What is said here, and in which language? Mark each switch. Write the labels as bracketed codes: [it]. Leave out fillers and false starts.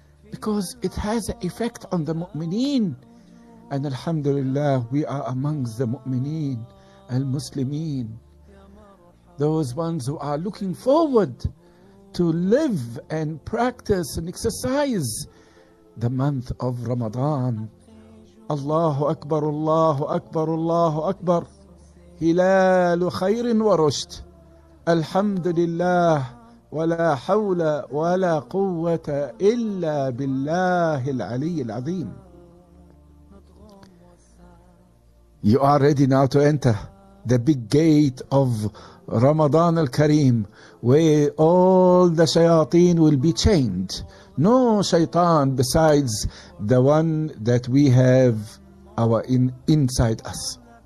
[en] Because it has an effect on the mu'mineen. And alhamdulillah, we are amongst the mu'mineen, al-muslimeen. Those ones who are looking forward to live and practice and exercise the month of Ramadan. [ar] Allahu Akbar, Allahu Akbar, Allahu Akbar. هلال خير ورشد الحمد لله ولا حول ولا قوة إلا بالله العلي العظيم. [en] You are ready now to enter the big gate of Ramadan al-Kareem, where all the shayateen will be chained. No shaytan besides the one that we have inside us.